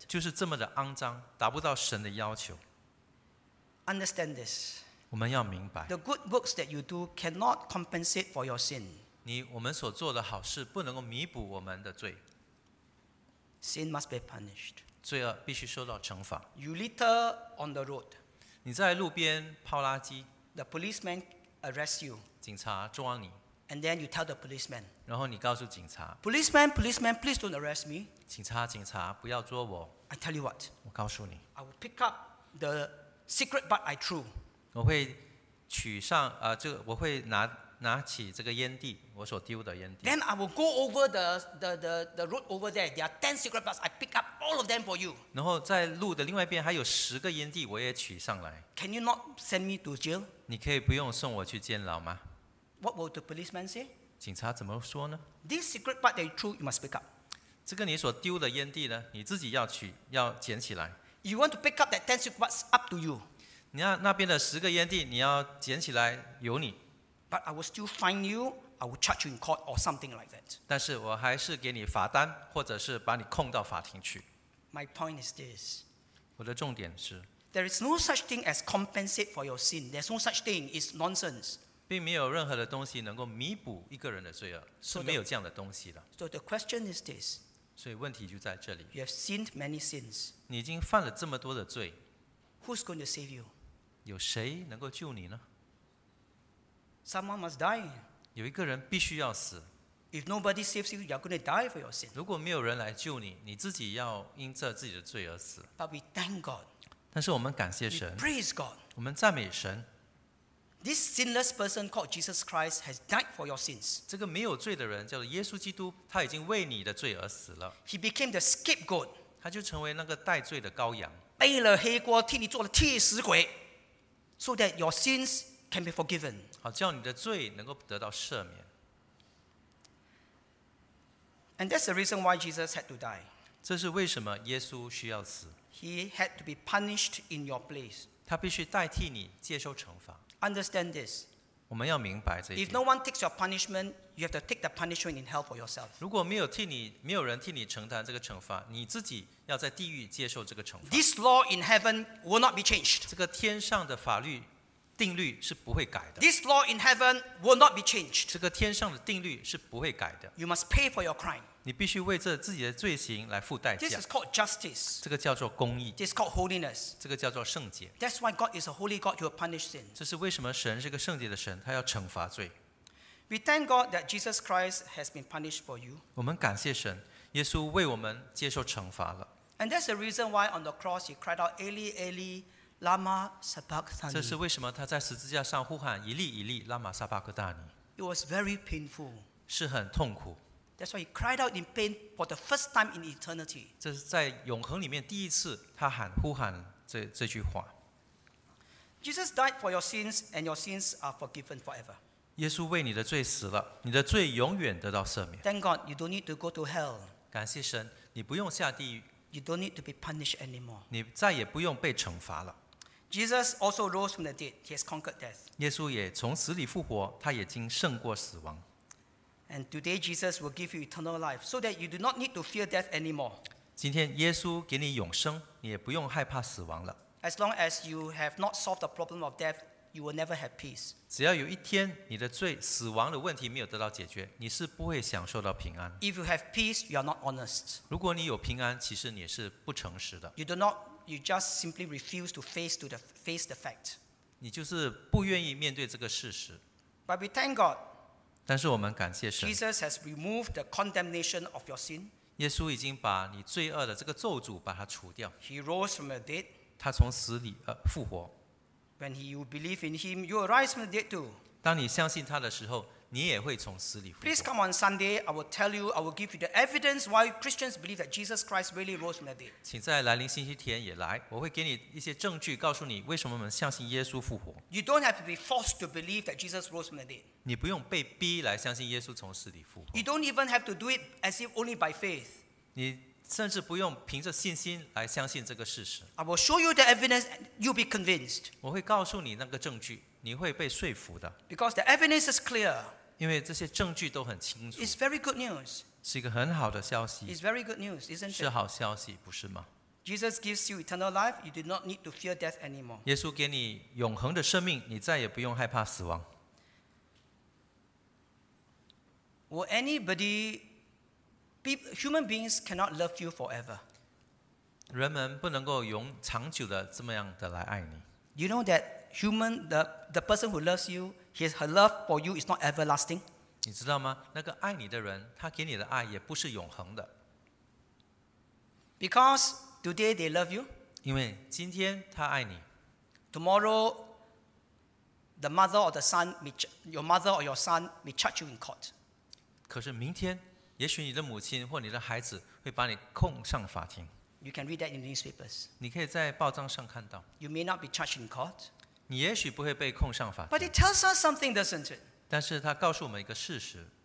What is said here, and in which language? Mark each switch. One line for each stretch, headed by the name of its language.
Chinese: 就是这么的肮脏，达不到神的要求。
English: Understand this.
Chinese: 我们要明白。
English: The good works that you do cannot compensate for your sin.
Chinese: 我们所做的好事不能够弥补我们的罪。
English: Sin must be punished.
Chinese: 罪恶必须受到惩罚。
English: You litter on the road.
Chinese: 你在路边抛垃圾。
English: The policeman arrests you.
Chinese: 警察抓你。
English: And then you tell the policeman.
Chinese: 然后你告诉警察。
English: Policeman, please don't arrest me.
Chinese: 警察，不要捉我。
English: I tell you what.
Chinese: 我告诉你。
English: I will pick up the cigarette butt I threw.
Chinese: 我会取上这个，我会拿起这个烟蒂，我所丢的烟蒂。
English: Then I will go over the road over there. There are 10 cigarette butts. I pick up all of them for you.
Chinese: 然后在路的另外一边还有十个烟蒂，我也取上来。
English: Can you not send me to jail?
Chinese: 你可以不用送我去监牢吗？
English: What will the policeman say?
Chinese: 警察怎么说呢？
English: This cigarette butt that you threw, you must pick up.
Chinese: 这个你所丢的烟蒂呢，你自己要取，要捡起来。
English: You want to pick up that 10 cigarette butts, up to you.
Chinese: 你那边的十个烟蒂，你要捡起来，由你。
English: But I will still fine you, I will charge you in court or something like that.
Chinese: 但是我还是给你罚单，或者是把你控到法庭去。
English: My point is this.
Chinese: 我的重点是。
English: There is no such thing as compensate for your sin. There's no such thing. It's nonsense.
Chinese: 并没有任何的东西能够弥补一个人的罪恶，是没有这样的东西的。
English: So the question is this.
Chinese: 所以问题就在这里。
English: You have sinned many sins.
Chinese: 你已经犯了这么多的罪。
English: Who's going to save you?
Chinese: 有谁能够救你呢？
English: Someone must die.
Chinese: 有一个人必须要死。
English: If nobody saves you, you're going to die for your sin.
Chinese: 如果没有人来救你，你自己要因着自己的罪而死。
English: But we thank God.
Chinese: 但是我们感谢神。
English: We praise God.
Chinese: 我们赞美神。
English: This sinless person called Jesus Christ has died for your sins.
Chinese: 这个没有罪的人叫做耶稣基督，他已经为你的罪而死了。
English: He became the scapegoat.
Chinese: 他就成为那个代罪的羔羊。背了黑锅，替你做了替死鬼 ，
English: so that your sins can be forgiven.
Chinese: 好，叫你的罪能够得到赦免。
English: And that's the reason why Jesus had to die.
Chinese: 这是为什么耶稣需要死。
English: He had to be punished in your place.
Chinese: 他必须代替你接受惩罚。
English: Understand this.
Chinese: 我们要明白这一点。
English: If no one takes your punishment, you have to take the punishment in hell for yourself.
Chinese: 如果没有替你，没有人替你承担这个惩罚，你自己要在地狱接受这个惩罚。
English: This law in heaven will not be changed.
Chinese: 这个天上的法律定律是不会改的。
English: This law in heaven will not be changed.
Chinese: 这个天上的定律是不会改的。
English: You must pay for your crime.
Chinese: 你必须为这自己的罪行来付代价。
English: This is called justice.
Chinese: 这个叫做公义。
English: This is called holiness.
Chinese: 这个叫做圣洁。
English: That's why God is a holy God who will punish sin.
Chinese: 这是为什么神是个圣洁的神，他要惩罚罪。
English: We thank God that Jesus Christ has been punished for you.
Chinese: 我们感谢神，耶稣为我们接受惩罚了。
English: And that's the reason why on the cross he cried out,
Aramaic: Eli, Eli. Lama sabachthani.
Chinese: 这是为什么他在十字架上呼喊以利以利拉玛撒巴克大尼。
English: It was very painful.
Chinese: 是很痛苦。
English: That's why he cried out in pain for the first time in eternity.
Chinese: 这是在永恒里面第一次他呼喊这句话。
English: Jesus died for your sins, and your sins are forgiven forever.
Chinese: 耶稣为你的罪死了，你的罪永远得到赦免。
English: Thank God, you don't need to go to hell.
Chinese: 感谢神，你不用下地狱。
English: You don't need to be punished anymore.
Chinese: 你再也不用被惩罚了。
English: Jesus also rose from the dead. He has conquered death.
Chinese: 耶稣也从死里复活，他已经胜过死亡。
English: And today Jesus will give you eternal life, so that you do not need to fear death anymore.
Chinese: 今天耶稣给你永生，你也不用害怕死亡了。
English: As long as you have not solved the problem of death, you will never have peace.
Chinese: 只要有一天你的罪、死亡的问题没有得到解决，你是不会享受到平安。
English: If you have peace, you are not honest.
Chinese: 如果你有平安，其实你是不诚实的。
English: You do not. You just simply refuse to face the fact.
Chinese: 你就是不愿意面对这个事实。
English: But we thank God.
Chinese: 但是我们感谢神。
English: Jesus has removed the condemnation of your sin.
Chinese: 耶稣已经把你罪恶的这个咒诅把它除掉。
English: He rose from the dead.
Chinese: 他从死里复活。
English: When you believe in him, you arise from the dead too.
Chinese: 当你相信他的时候，你也会从死里复活。
English: Please come on Sunday. I will tell you. I will give you the evidence why Christians believe that Jesus Christ really rose from the dead.
Chinese: 请在来临星期天也来，我会给你一些证据，告诉你为什么我们相信耶稣复活。
English: You don't have to be forced to believe that Jesus rose from the dead.
Chinese: 你不用被逼来相信耶稣从死里复活。
English: You don't even have to do it as if only by faith.
Chinese: 你甚至不用凭着信心来相信这个事实。
English: I will show you the evidence. You'll be convinced.
Chinese: 我会告诉你那个证据。你会被说服的。
English: Because the evidence is clear.
Chinese: 因为这些证据都很清楚。
English: It's very good news.
Chinese: 是一个很好的消息。
English: It's very good news, isn't it?
Chinese: 是好消息，不是吗？
English: Jesus gives you eternal life. You do not need to fear death anymore.
Chinese: 耶稣给你永恒的生命，你再也不用害怕死亡。
English: Will anybody, human beings cannot love you forever.
Chinese: 人们不能够永长久的这么样的来爱你。
English: You know that. Human, the person who loves you, his her love for you is not everlasting.
Chinese: 你知道吗？那个爱你的人，他给你的爱也不是永恒的。
English: Because today they love you.
Chinese: 因为今天他爱你。
English: Tomorrow, the mother or the son, your mother or your son may charge you in court.
Chinese: 可是明天，也许你的母亲或你的孩子会把你控上法庭。
English: You can read that in the newspapers.
Chinese: 你可以在报章上看到。
English: You may not be charged in court.
Chinese: 你也许不会被控上法庭。
English: But it tells us something, doesn't it?
Chinese: 但是它告诉我们一个事实。